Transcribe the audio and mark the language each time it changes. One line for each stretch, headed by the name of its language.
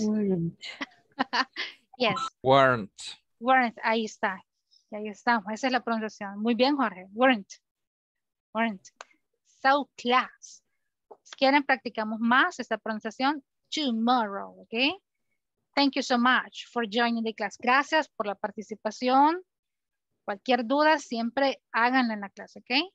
English: Weren't. Yes. Weren't.
Spanish: Weren't. Ahí está. Y ahí estamos. Esa es la pronunciación. Muy bien, Jorge. Weren't. Weren't.
English: So class.
Spanish: Si quieren, practicamos más esta pronunciación tomorrow, ¿ok?
English: Thank you so much for joining the class.
Spanish: Gracias por la participación. Cualquier duda, siempre háganla en la clase, ¿ok?